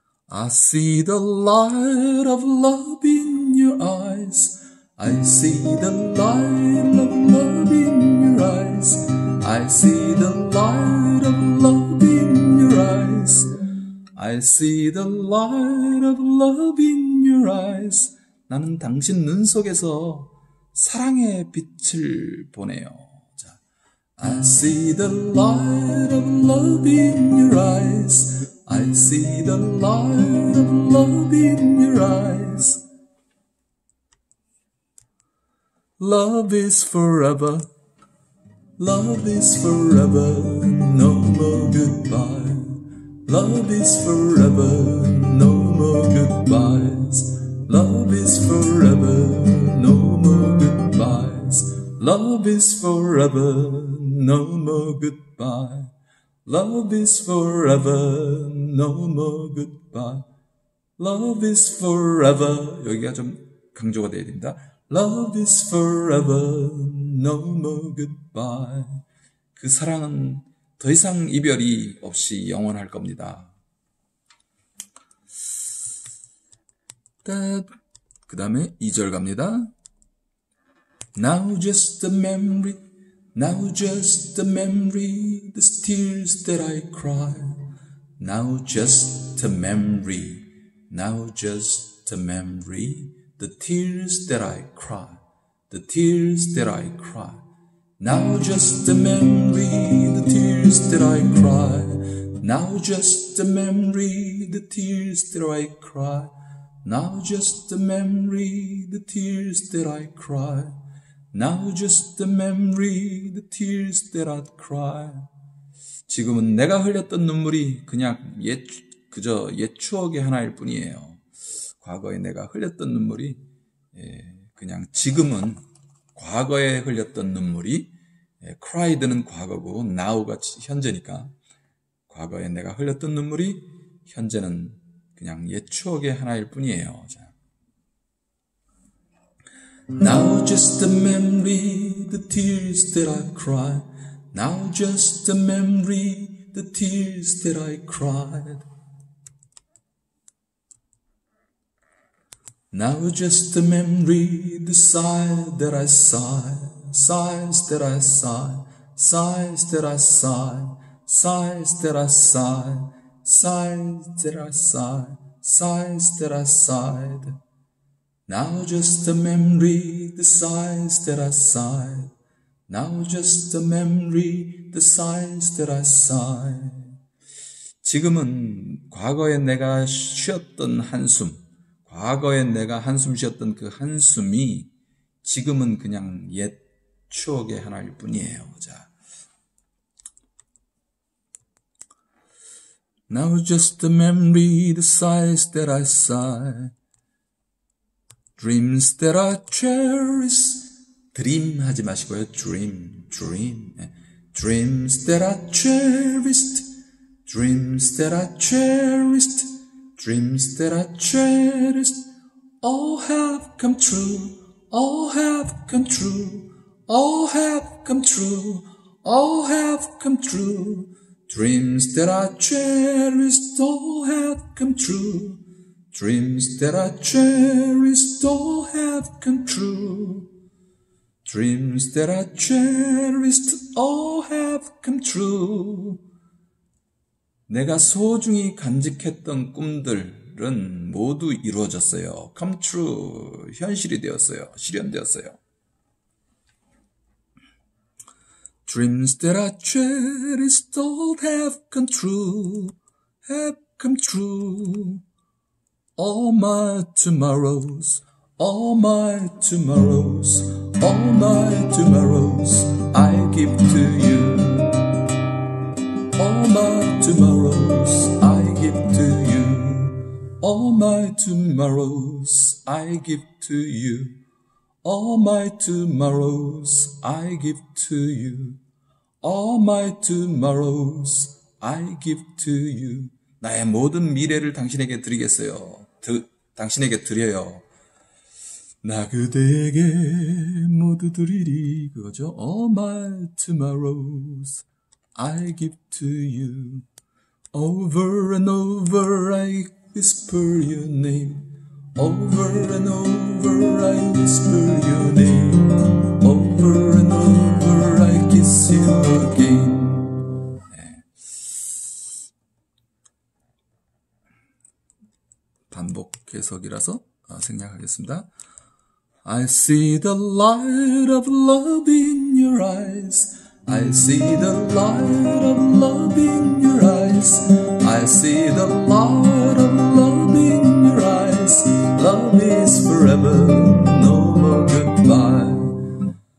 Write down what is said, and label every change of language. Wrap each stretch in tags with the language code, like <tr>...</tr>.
<en>I see the light of love in your eyes. I see the light of love in your eyes. I see the light of love in your eyes. I see the light of love in your eyes.</en> <ko>나는 당신 눈 속에서 사랑의 빛을 보네요. 자.</ko> <en>I see the light of love in your eyes. I see the light of love in your eyes. Love is forever. Love is forever. No more goodbye. Love is forever. No more goodbyes. Love is forever, no more goodbyes. Love is forever, no more goodbye. Love is forever, no more goodbye. Love is forever.</en> <ko>여기가 좀 강조가 돼야 됩니다.</ko> <en>Love is forever, no more goodbye.</en> <ko>그 사랑은 더 이상 이별이 없이 영원할 겁니다. 그 다음에 2절 갑니다.</ko> <en>Now just a memory, now just a memory, the tears that I cry. Now just a memory, now just a memory, the tears that I cry, the tears that I cry. Now just a memory, the tears that I cry. Now just a memory, the tears that I cry. Now just a memory, the tears that I cry. Now just a memory, the tears that I'd cry.</en> <ko>지금은 내가 흘렸던 눈물이 그냥 그저 옛 추억의 하나일 뿐이에요. 과거에 내가 흘렸던 눈물이, 예, 그냥 지금은 과거에 흘렸던 눈물이, 예, cried는 과거고 now가 현재니까 과거에 내가 흘렸던 눈물이 현재는 그냥 옛 추억의 하나일 뿐이에요. 자.</ko> <en>Now just a memory, the tears that I cry. Now just a memory, the tears that I cried. Now just a memory, the sighs that I sigh. Sighs that I sigh. Sighs that I sigh. Sighs that I sigh. Sighs that I sigh. Sighs that I sighed. Now just a memory, the sighs that I sighed. Now just a memory, the sighs that I sighed.</en> <ko>지금은 과거에 내가 쉬었던 한숨, 과거에 내가 한숨 쉬었던 그 한숨이 지금은 그냥 옛 추억의 하나일 뿐이에요. 자.</ko> <en>Now just a memory, the sighs that I sigh. Dreams that I cherish.</en> <ko>Dream 하지 마시고요.</ko> <en>Dream, dream. Dreams that I cherished. Dreams that I cherished. Dreams that I cherished. All have come true. All have come true. All have come true. All have come true. Dreams that I cherished all have come true. Dreams that I cherished all have come true. Dreams that I cherished all have come true.</en> <ko>내가 소중히 간직했던 꿈들은 모두 이루어졌어요.</ko> <en>Come true.</en> <ko>현실이 되었어요. 실현되었어요.</ko> <en>Dreams that I cherished all have come true. Have come true. All my tomorrows. All my tomorrows. All my tomorrows I give to you. All my tomorrows I give to you. All my tomorrows I give to you. All my tomorrows I give to you. All my tomorrows I give to you.</en> <ko>나의 모든 미래를 당신에게 드리겠어요. 당신에게 드려요. 나 그대에게 모두 드리리. 그거죠.</ko> <en>All my tomorrows I give to you. Over and over I whisper your name. Over and over I whisper your name. Over and over I kiss you again.</en> <ko>네. 반복 해석이라서 생략하겠습니다.</ko> <en>I see the light of love in your eyes. I see the light of love in your eyes. I see the light of love in your eyes. Love is forever, no more goodbye.</en>